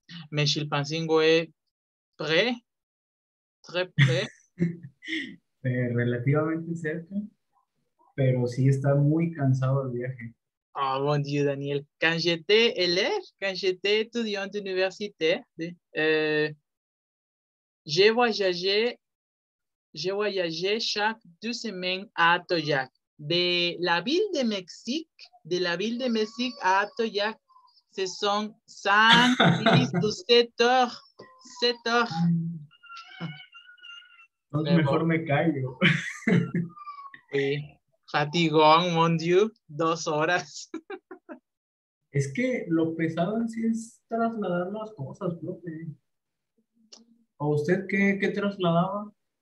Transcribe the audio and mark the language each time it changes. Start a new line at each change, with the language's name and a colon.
French: Mais Chilpancingo est prêt? Très près.
Spanish: Relativamente cerca, pero sí está muy cansado el viaje.
French: Oh, mon Dieu, Daniel. Quand j'étais élève, quand j'étais étudiante d'université, j'ai voyagé chaque deux semaines à Atoyac. De la ville de Mexique à Atoyac, ce sont 5, 6, 7 heures. 7 heures.
Spanish: Entonces mejor me callo. Sí. Fatigón,
French: mon Dieu,
Spanish: 2 horas. Es que lo pesado en sí es trasladar las cosas, profe. ¿A usted qué trasladaba?